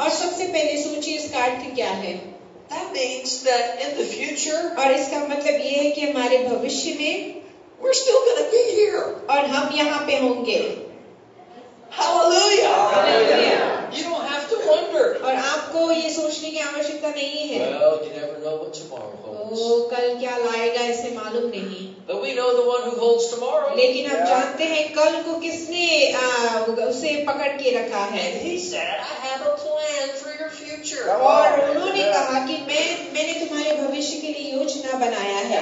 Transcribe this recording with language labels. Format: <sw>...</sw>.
<hi>और सबसे पहले सोचिए इसका अर्थ क्या है.</hi> <en>That means that in the future.</en> <hi>और इसका मतलब ये है कि हमारे भविष्य में.</hi> <en>We're still gonna be here.</en> <hi>और हम यहाँ पे होंगे. Hallelujah. Hallelujah.</hi> <en>You don't have to wonder.</en> <hi>और आपको ये सोचने की आवश्यकता नहीं है.</hi> <en>Well, you never know what tomorrow holds.</en> <hi>ओ, कल क्या लाएगा इसे मालूम नहीं.</hi> <en>But we know the one who holds tomorrow.</en> <hi>लेकिन हम जानते हैं कल को किसने उसे पकड़ के रखा है.</hi> <en>And he said, I have a plan for your future.</en> <hi>और उन्होंने कहा कि मैंने तुम्हारे भविष्य के लिए योजना बनाया है.</hi>